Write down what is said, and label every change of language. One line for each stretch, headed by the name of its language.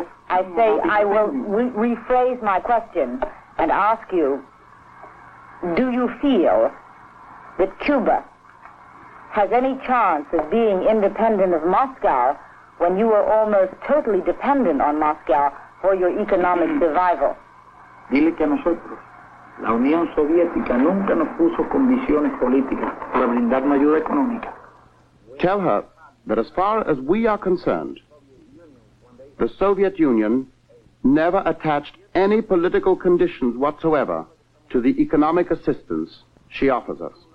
English: I say I will rephrase my question and ask you, do you feel that Cuba has any chance of being independent of Moscow when you are almost totally dependent on Moscow for your economic survival?
Spanish: Dile que nosotros. La Unión Soviética nunca nos puso condiciones políticas para brindarnos ayuda económica.
English: Tell her that as far as we are concerned, the Soviet Union never attached any political conditions whatsoever to the economic assistance she offers us.